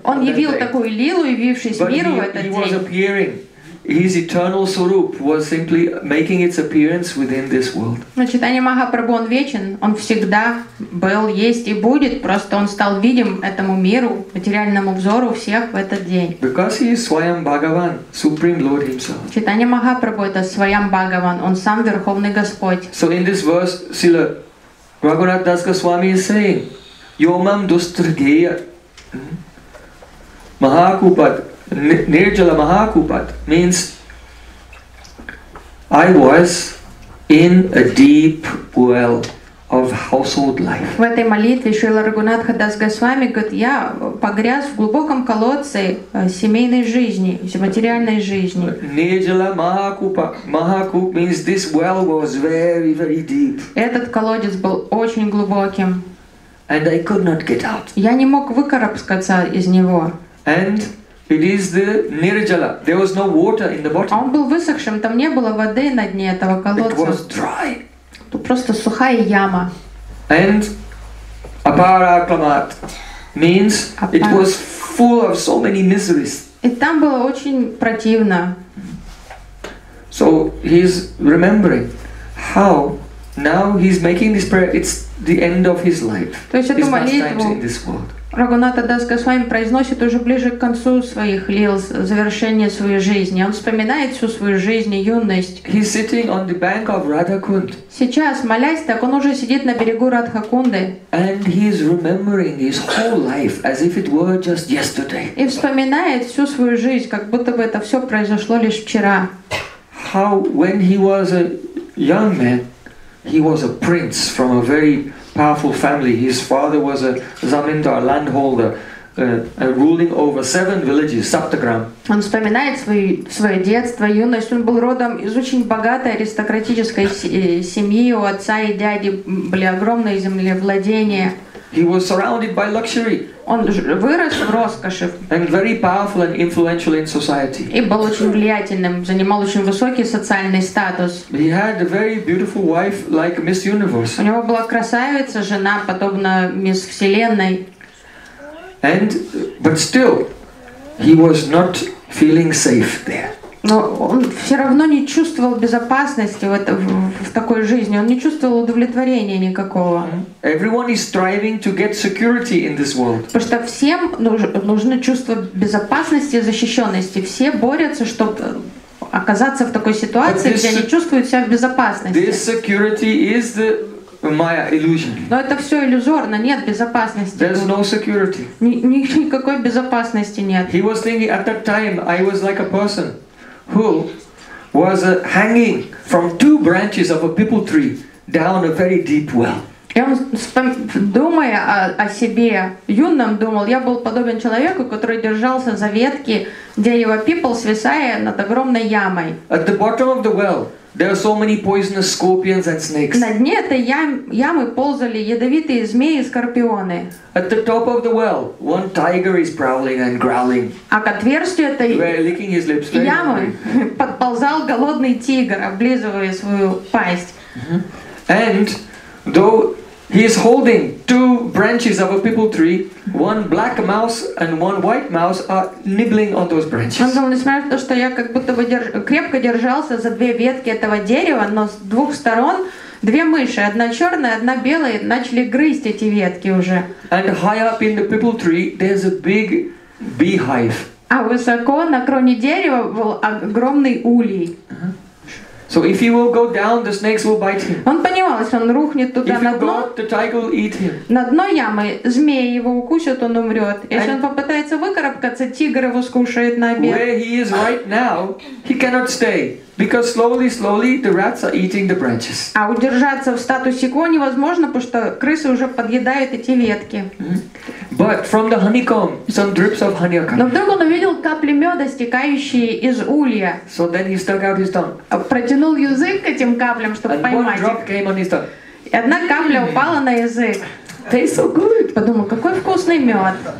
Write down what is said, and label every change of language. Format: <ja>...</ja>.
<ru>Он явил такую лилу, явившись миру в этот день.</ru> <en>But he was appearing. His eternal Swarup was simply making its appearance within this world.</en> <ru>Читание Махапрабху, он вечен, он всегда был, есть и будет, просто он стал видим этому миру, материальному взору всех в этот день.</ru> <en>Because he is Swayam Bhagavan, Supreme Lord himself.</en> <ru>Читание Махапрабху, это Swayam Bhagavan, он сам Верховный Господь.</ru> <en>So in this verse, Srila Raghunath Das Goswami is saying,</en> <sa>Yomam Dustrgeya, Mahakupat, Nirjala Mahakupat</sa> <en>means I was in a deep well of household life.</en> <ru>В этой молитве Шрила Рагунатха Дас Госвами говорит, я погряз в глубоком колодце семейной жизни, материальной жизни.</ru> <sa>Nirjala Mahakupat.</sa> <en>Mahakup means this well was very, very deep.</en> <ru>Этот колодец был очень глубоким.</ru> <en>And I could not get out.</en> <ru>Я не мог выкарабкаться из него.</ru> <en>And it is the nirjala. There was no water in the bottom.</en> <ru>Он был высохшим, там не было воды на дне этого колодца.</ru> <en>It was dry.</en> <ru>Просто сухая яма.</ru> <en>And apāraklamāt means it was full of so many miseries.</en> <ru>И там было очень противно.</ru> <en>So he's remembering how now he's making this prayer. It's the end of his life.</en> <ru>То есть эту молитву</ru> <en>in this world.</en> <ru>Рагунатха Дас Госвами произносит уже ближе к концу своих лил, завершение своей жизни. Он вспоминает всю свою жизнь, юность.</ru> <en>He's sitting on the bank of Radhakund.</en> <ru>Сейчас, молясь так, он уже сидит на берегу Радхакунды.</ru> <en>And he's remembering his whole life as if it were just yesterday.</en> <ru>И вспоминает всю свою жизнь, как будто бы это все произошло лишь вчера.</ru> <en>How when he was a young man, he was a prince from a very powerful family. His father was a zamindar, landholder, ruling over 7 villages, Saptagram.</en> <ru>Он вспоминает свое детство, юность. Он был родом из очень богатой аристократической семьи. У отца и дяди были огромные землевладения.</ru> <en>He was surrounded by luxury.</en> <ru>Он вырос в роскоши.</ru> <en>And very powerful and influential in society.</en> <ru>И был очень влиятельным, занимал очень высокий социальный статус.</ru> <en>He had a very beautiful wife like Miss Universe.</en> <ru>У него была красавица жена, подобно мисс Вселенной.</ru> <en>And but still, he was not feeling safe there.</en> <ru>Но он все равно не чувствовал безопасности в такой жизни. Он не чувствовал удовлетворения никакого.</ru> <en>Everyone is striving to get security in this world.</en> <ru>Потому что всем нужно чувство безопасности и защищенности. Все борются, чтобы оказаться в такой ситуации, где они чувствуют себя в безопасности.</ru> <en>This security is the Maya illusion.</en> <ru>Но это все иллюзорно, нет безопасности.</ru> <en>There's no security.</en> <ru>Никакой безопасности нет.</ru> <en>He was thinking at that time I was like a person who was hanging from 2 branches of a people tree down a very deep well.</en> <ru>Я думая о себе, юном думал, я был подобен человеку, который держался за ветки дерева пипл, свисая над огромной ямой.</ru> <en>At the bottom of the well, there are so many poisonous scorpions and snakes.</en> <ru>На дне этой ямы ползали ядовитые змеи и скорпионы.</ru> <en>At the top of the well, one tiger is prowling and growling.</en> <ru>А к отверстию этой</ru> <en>licking his lips,</en> <ru>ямы подползал голодный тигр, облизывая свою пасть.</ru> <en>And though he is holding 2 branches of a people tree, one black mouse and one white mouse are nibbling on those branches.</en> <ru>Он думал, несмотря на то, что я как будто бы крепко держался за 2 ветки этого дерева, но с двух сторон 2 мыши, одна черная, одна белая, начали грызть эти ветки уже.</ru> <en>And high up in the people tree, there's a big beehive.</en> <ru>А высоко на кроне дерева был огромный улей.</ru> <en>So if he will go down, the snakes will bite him.</en> <ru>Он понимал, если он рухнет туда на дно,</ru> <en>the tiger will eat him.</en> <ru>На дно ямы змеи его укусят, он умрет. Если он попытается выкарабкаться, тигр его скушает на обед.</ru> <en>Where he is right now, he cannot stay, because slowly the rats are eating the branches.</en> <ru>А удержаться в статусе quo невозможно, потому что крысы уже подъедают эти ветки.</ru> <en>But from the honeycomb, some drips of honey are coming.</en> <ru>Но вдруг он увидел капли меда, стекающие из улья.</ru> <en>So then he stuck out his tongue.</en> <ru>Протянул язык к этим каплям, чтобы поймать их.</ru> <en>And one drop came on his tongue.</en> <ru>И одна капля упала на язык.</ru> <en>Tastes so good.</en> <ru>Подумал, какой вкусный мед.</ru>